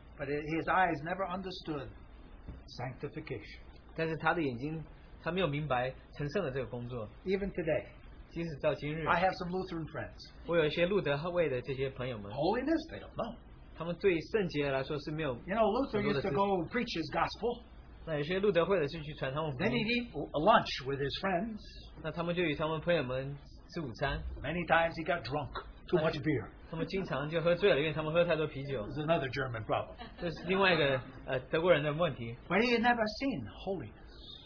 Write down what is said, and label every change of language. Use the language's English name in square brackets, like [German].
[English] But his eyes never understood sanctification. [Chinese] 但是他的眼睛，他没有明白成圣的这个工作。 [English] Even today, [Chinese] 即使到今日, [English] I have some Lutheran friends. [Chinese] 我有一些路德会的这些朋友们。 [English] Holiness, they don't know. [Chinese] 他们对圣洁来说是没有。 [English] You know, Luther used to go preach his gospel. [Chinese] 那有些路德会的就去传他们福音。 [English] Then he'd eat lunch with his friends. [Chinese] 那他们就与他们朋友们吃午餐。 [English] Many times he got drunk. Too much beer. [Chinese] 他们经常就喝醉了，因为他们喝太多啤酒。 [English] It's another German problem. [Chinese] 这是另外一个德国人的问题。 [English] But he had never seen holiness.